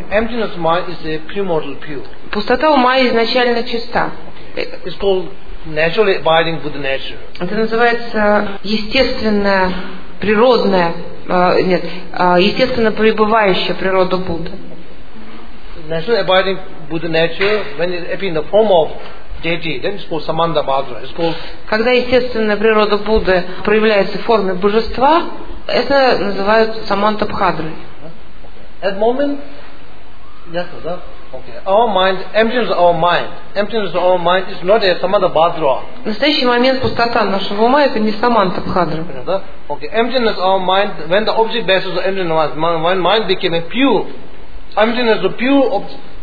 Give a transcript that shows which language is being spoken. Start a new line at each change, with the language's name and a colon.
English: Emptiness of mind is a primordial pure.
Russian: Пустота ума изначально чиста.
English: It's called naturally abiding with the nature.
Russian: Это называется естественная, природная, нет, естественно пребывающая природа Будды.
English: Naturally abiding with the nature, when it appears in the form of deity, then it's called Samandabhadra. It's called...
Russian: Когда естественная природа Будды проявляется в форме божества, это называют Самандабхадрой.
English: At moment, yes, да? Okay. Our mind, emptiness of our mind, emptiness of our mind is not a Samandabhadra.
Russian: В настоящий момент пустота нашего ума это не Самандабхадра.
English: Okay. Emptiness of our mind, when the object basis of emptiness of our mind, mind became a pure, emptiness of pure object.